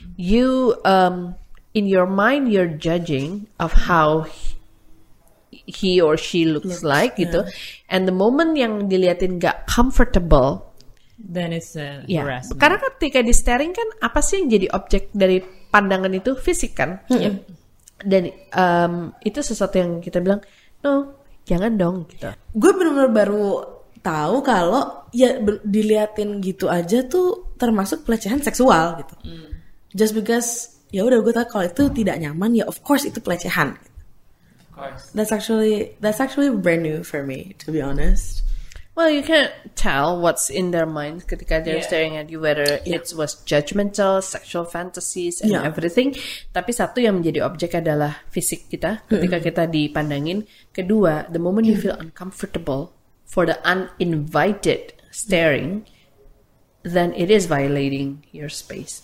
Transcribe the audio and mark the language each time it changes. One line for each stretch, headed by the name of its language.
English: You in your mind you're judging of how he or she looks like
Indonesian: gitu.
English: And the moment
Indonesian: yang diliatin gak
English: comfortable, then it's harassment.
Indonesian: Karena ketika di staring kan apa sih yang jadi objek dari pandangan itu, fisik kan. Dan itu sesuatu yang kita bilang
English: no,
Indonesian: jangan dong gitu. Gue benar-benar baru tahu kalau ya diliatin gitu aja tuh termasuk pelecehan seksual gitu.
English: Just because
Indonesian: ya udah gue tahu kalau itu tidak nyaman, ya
English: of course
Indonesian: itu pelecehan.
English: That's actually brand new for me, to be honest. Well, you can't tell what's in their mind
Indonesian: ketika
English: they're staring at you, whether it was judgmental, sexual fantasies, and everything.
Indonesian: Tapi satu yang menjadi objek adalah fisik kita ketika kita dipandangin. Kedua,
English: the moment you feel uncomfortable for the uninvited staring, then it is violating your space.